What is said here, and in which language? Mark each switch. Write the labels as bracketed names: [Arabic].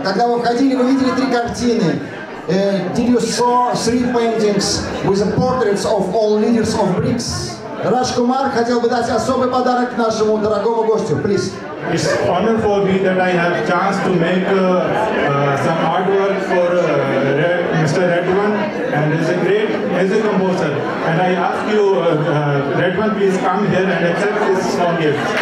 [Russian] Когда вы входили, вы видели три картины. [English] Did you saw three paintings with the portraits of all leaders of BRICS? [Russian] Раджкумар хотел бы дать особый подарок нашему дорогому гостю. [English] Please. It's honor for me that I have chance to make some artwork for Mr. Redwan, and he's a great music composer. And I ask you, Redwan, please come here and accept this small gift.